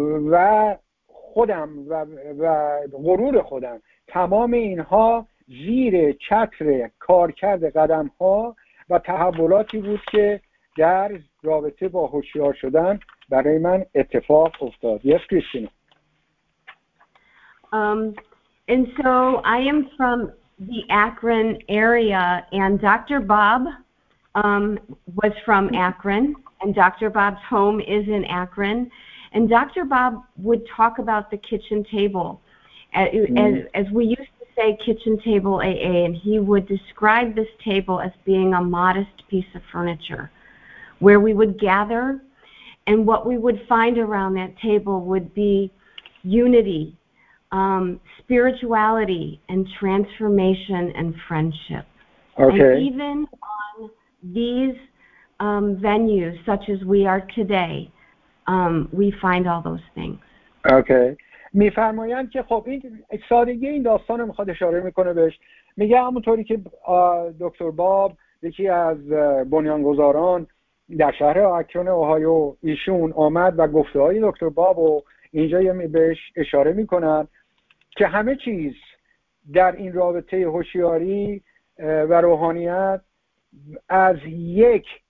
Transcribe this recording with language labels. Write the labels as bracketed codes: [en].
[fa] و خودم و غرور خودم، تمام اینها زیر چتر کارکرد قدم ها و تحولاتی بود که در رابطه با هوشیار شدن برای من اتفاق افتاد. [en] Yes, Christina. And so I am from the Akron area, and Dr. Bob was from Akron, and Dr. Bob's home is in Akron. And Dr. Bob would talk about the kitchen table, as we used to say, kitchen table AA, and he would describe this table as being a modest piece of furniture where we would gather, and what we would find around that table would be unity, spirituality, and transformation and friendship. Okay. And even on these venues, such as we are today, we find all those things. Okay. [fa] می فرمایم که خب این سادگی این داستان رو میخواد اشاره میکنه بهش. میگه همونطوری که دکتر باب یکی از بنیانگذاران در شهر آکرون اوهایو ایشون آمد و گفته های دکتر باب رو اینجا بهش اشاره میکنن که همه چیز در این رابطه هوشیاری و روحانیت از یک